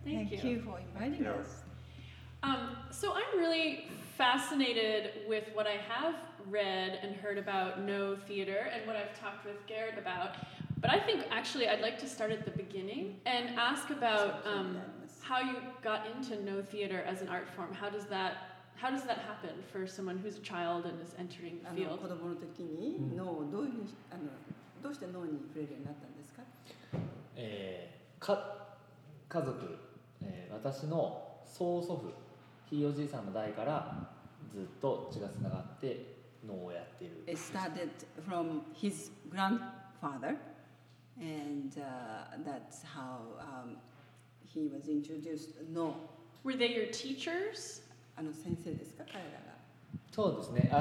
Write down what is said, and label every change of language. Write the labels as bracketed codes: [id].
[en] So I'm really fascinated with what I have read and heard about no theater and what I've talked with Garrett about, but I think actually I'd like to start at the beginning and ask about how you got into no theater as an art form. How does that happen for someone who's a child and is entering the field? [ja] あの、子供の時にのどういうあの、どうしてのに触れるようになったんですか?家族、私の曽祖父、ひいおじいさんの代からずっと血がつながって脳をやっている。 [en] It started from his grandfather, and that's how he was introduced to no. Were they your teachers? [ja] あの先生ですか、彼らが。